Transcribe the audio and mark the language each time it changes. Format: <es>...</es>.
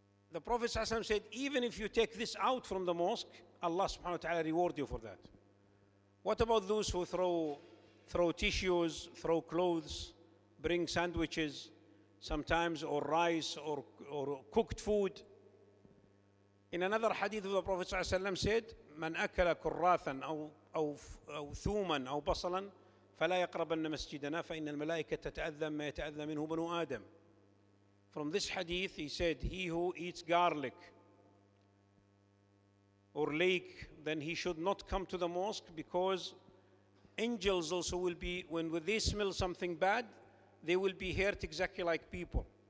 <en>The Prophet ﷺ said, even if you take this out from the mosque, Allah subhanahu wa ta'ala reward you for that. What about those who throw tissues, throw clothes, bring sandwiches sometimes, or rice, or cooked food?</en> <ar>In another hadith of the Prophet ﷺ said, من أكل كراثا أو ثوما أو بصلا فلا يقربن مسجدنا فإن الملائكة تتأذى ما يتأذى منه بنو آدم.</ar> <en>From this hadith, he said, he who eats garlic or lake, then he should not come to the mosque, because angels also will be, when they smell something bad, they will be hurt exactly like people.</en>